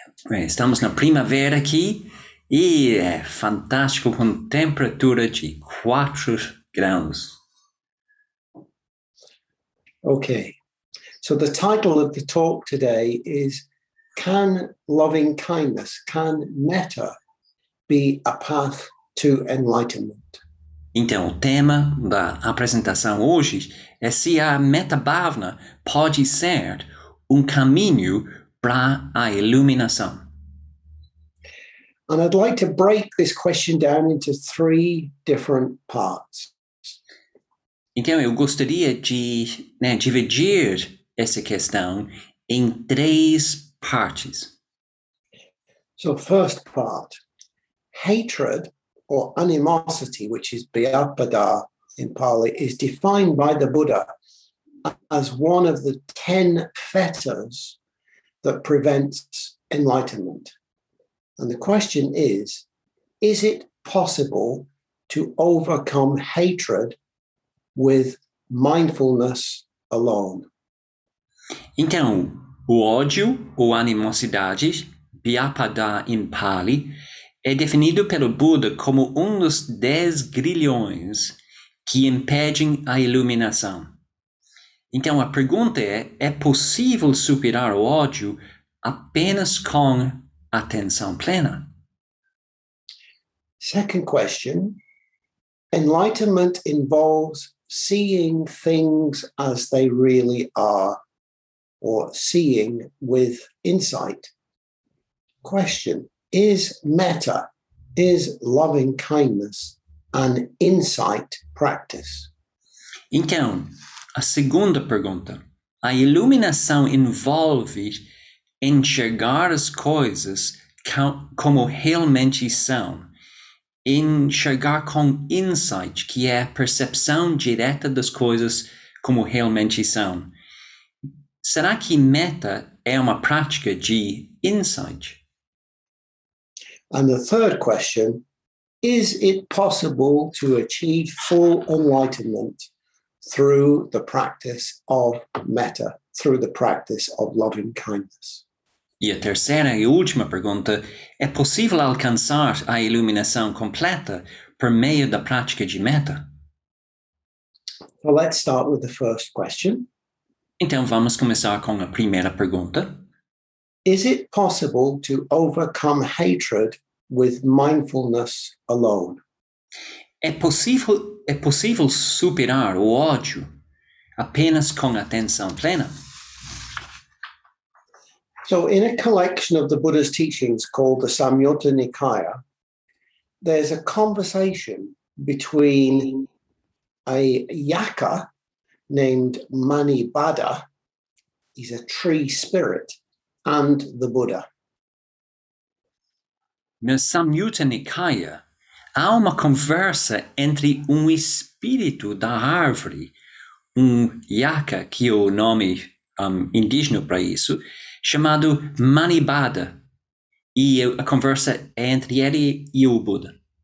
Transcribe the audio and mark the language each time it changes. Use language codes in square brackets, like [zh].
[pt] Estamos na primavera aqui, e é fantástico com temperatura de 4 graus. [en] Okay, so the title of the talk today is Can Loving Kindness, Can Metta Be a Path to Enlightenment? [pt] Então, o tema da apresentação hoje é se a metta bhavna pode ser um caminho para a iluminação. [en] And I'd like to break this question down into 3 different parts. [pt] Então, eu gostaria de dividir essa questão em 3 partes. [en] So, first part, hatred or animosity, which is Bhavapada in Pali, is defined by the Buddha as one of the 10 fetters that prevents enlightenment. And the question is it possible to overcome hatred with mindfulness alone? [pt] Então, o ódio ou animosidade, Bhavapada [en] in Pali, [pt] é definido pelo Buda como um dos 10 grilhões que impedem a iluminação. Então, a pergunta é possível superar o ódio apenas com atenção plena? [en] Second question. Enlightenment involves seeing things as they really are, or seeing with insight. Question. Is metta, is loving kindness, an insight practice? [pt] Então, a segunda pergunta. A iluminação envolve enxergar as coisas como realmente são. Enxergar com insight, que é a percepção direta das coisas como realmente são. Será que metta é uma prática de insight? [en] And the third question, is it possible to achieve full enlightenment through the practice of metta, through the practice of loving kindness? [pt] E a terceira e última pergunta, é possível alcançar a iluminação completa por meio da prática de metta? [en] Well, let's start with the first question. [pt] Então, vamos começar com a primeira pergunta. [en] Is it possible to overcome hatred with mindfulness alone? [pt] É possível superar o ódio apenas com atenção plena? [en] So in a collection of the Buddha's teachings called the Samyutta Nikaya, there's a conversation between a yaka named Manibhada, he's a tree spirit, and the Buddha. [pt] No Samyutta Nikaya, há uma conversa entre espírito da árvore, yaka, que o nome indígena para isso, chamado Manibhada, e a conversa é entre ele e o Buda.